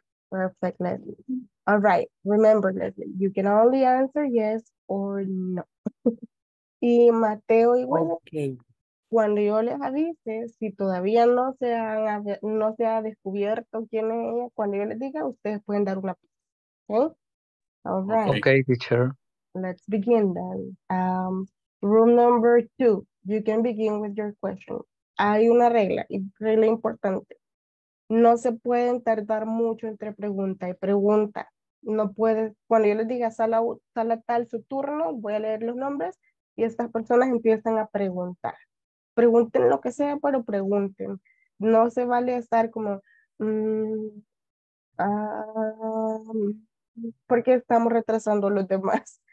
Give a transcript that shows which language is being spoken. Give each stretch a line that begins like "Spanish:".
English: Perfect, Leslie. All right, remember, Leslie, you can only answer yes or no.
Spanish: Y Mateo y William,
English: okay.
Spanish: Cuando yo les avise, si todavía no se, han, no se ha descubierto quién es ella, cuando yo les diga, ustedes pueden dar una pista.
English: ¿Okay? All right. Okay, teacher. Let's begin then. Room number two, you can begin with your question.
Spanish: Hay una regla, y regla importante. No se pueden tardar mucho entre pregunta y pregunta. No puede, cuando yo les diga sala tal su turno, voy a leer los nombres y estas personas empiezan a preguntar. Pregunten lo que sea, pero pregunten. No se vale estar como, ¿por qué estamos retrasando a los demás?